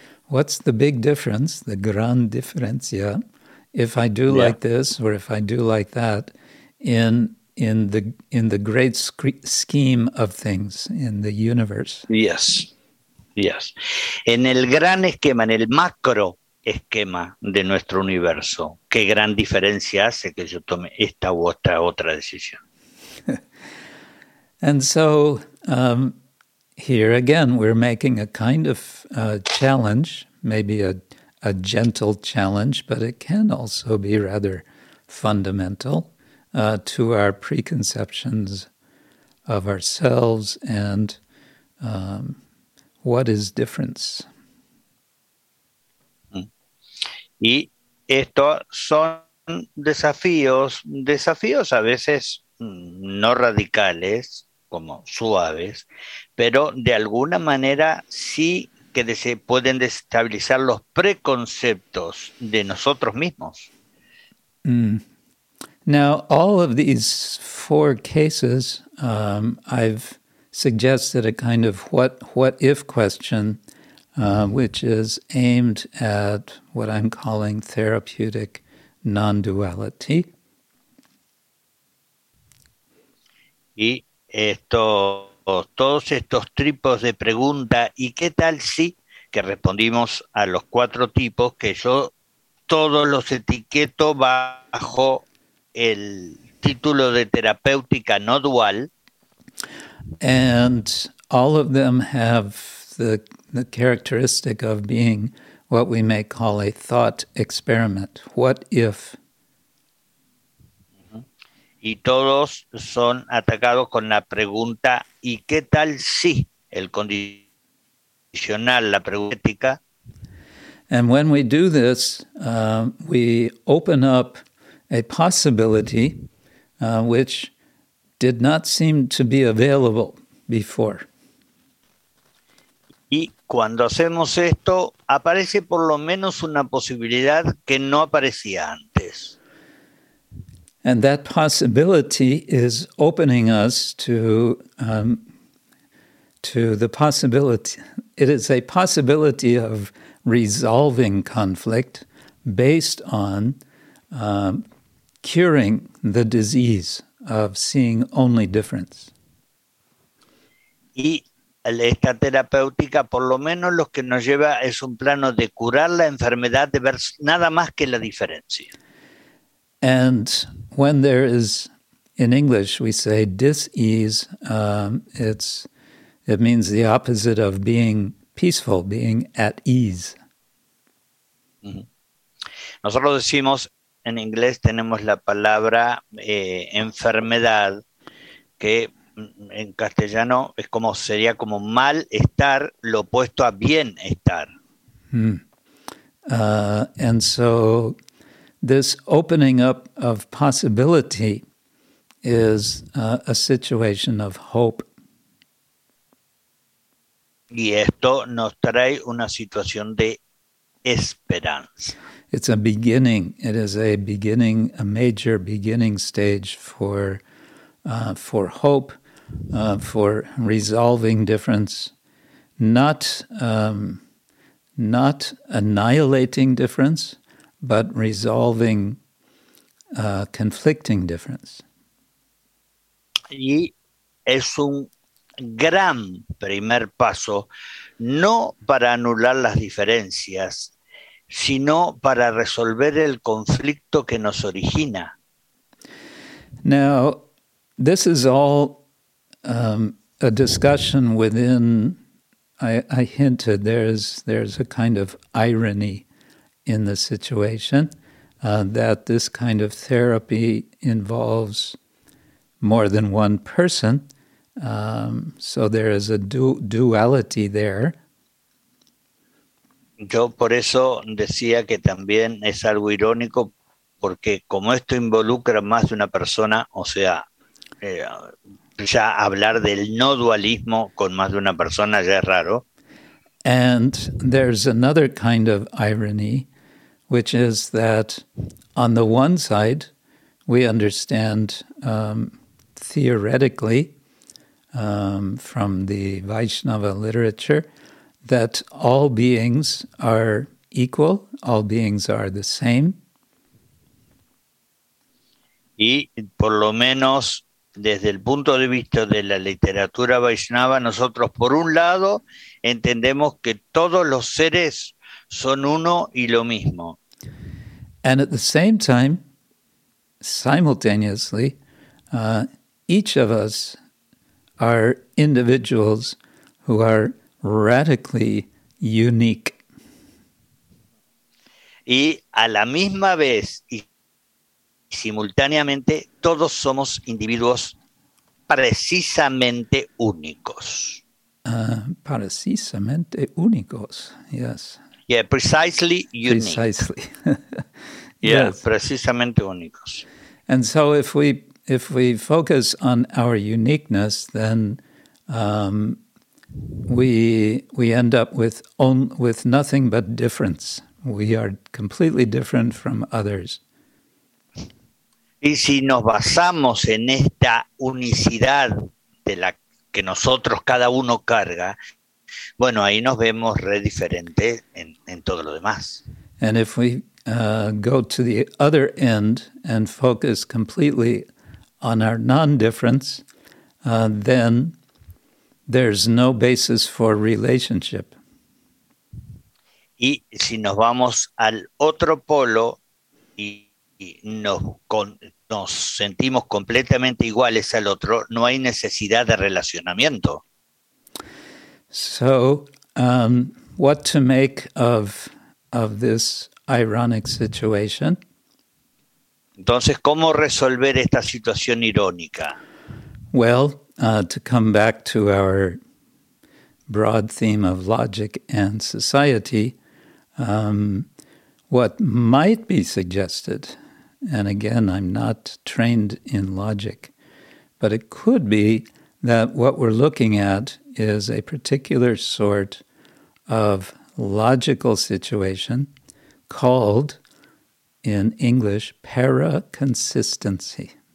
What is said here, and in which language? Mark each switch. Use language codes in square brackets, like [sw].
[en] What's the big difference, the [es] gran diferencia, [en] if I do like this or if I do like that, in the great scheme of things, in the universe. Yes, yes. [es] En el gran esquema, en el macro esquema de nuestro universo, ¿qué gran diferencia hace que yo tome esta u otra decisión? [en] And so, here again, we're making a kind of challenge, maybe a gentle challenge, but it can also be rather fundamental. To our preconceptions of ourselves and what is difference. [es] Y estos son desafíos a veces no radicales, como suaves, pero de alguna manera sí que pueden desestabilizar los preconceptos de nosotros mismos. Mm. [en] Now, all of these four cases, I've suggested a kind of what if question, which is aimed at what I'm calling therapeutic non-duality. [es] Y todos estos tipos de pregunta, ¿y qué tal si que respondimos a los cuatro tipos que yo todos los etiqueto bajo el título de terapéutica no dual? [en] And all of them have the characteristic of being what we may call a thought experiment. What if? [es] y todos son atacados con la pregunta: ¿y qué tal si el condicional, la pregunta ética? [en] And when we do this, we open up a possibility which did not seem to be available before. [es] Y cuando hacemos esto, aparece por lo menos una posibilidad que no aparecía antes. [en] And that possibility is opening us to the possibility. It is a possibility of resolving conflict based on curing the disease of seeing only difference. [es] Y esta terapéutica, por lo menos, lo que nos lleva es un plano de curar la enfermedad de ver nada más que la diferencia. [en] And when there is, in English, we say dis-ease, it means the opposite of being peaceful, being at ease. [es] Nosotros decimos, en inglés tenemos la palabra enfermedad, que en castellano es como, sería como malestar, lo opuesto a bienestar. Hmm. [en] And so this opening up of possibility is a situation of hope. [es] Y esto nos trae una situación de esperanza. [en] It's a beginning. It is a beginning, a major beginning stage for hope, for resolving difference, not annihilating difference, but resolving conflicting difference. [es] Y es un gran primer paso, no para anular las diferencias, sino para resolver el conflicto que nos origina. [en] Now, this is all a discussion within. I hinted there's a kind of irony in the situation that this kind of therapy involves more than one person. So there is a duality there. [es] Yo por eso decía que también es algo irónico, porque como esto involucra más de una persona, o sea, ya hablar del no dualismo con más de una persona ya es raro. [en] And there's another kind of irony, which is that on the one side, we understand theoretically from the Vaishnava literature, that all beings are equal, all beings are the same. [es] Y por lo menos desde el punto de vista de la literatura Vaishnava, nosotros por un lado entendemos que todos los seres son uno y lo mismo. [en] And at the same time, simultaneously, each of us are individuals who are radically unique. [es] Y a la misma vez y simultáneamente, todos somos individuos precisamente únicos. Precisamente únicos, [en] yes. Yeah, precisely unique. Precisely. Yeah, yes. [es] Precisamente únicos. [en] And so if we focus on our uniqueness, then we end up with nothing but difference. We are completely different from others. [es] Y si nos basamos en esta unicidad de la que nosotros cada uno carga, bueno, ahí nos vemos re diferente en todo lo demás. [en] And if we go to the other end and focus completely on our non-difference, then there's no basis for relationship. [es] Y si nos vamos al otro polo y nos sentimos completamente iguales al otro, no hay necesidad de relacionamiento. [en] So, what to make of this ironic situation? [es] Entonces, ¿cómo resolver esta situación irónica? [en] Well, to come back to our broad theme of logic and society, what might be suggested, and again, I'm not trained in logic, but it could be that what we're looking at is a particular sort of logical situation called, in English, paraconsistency.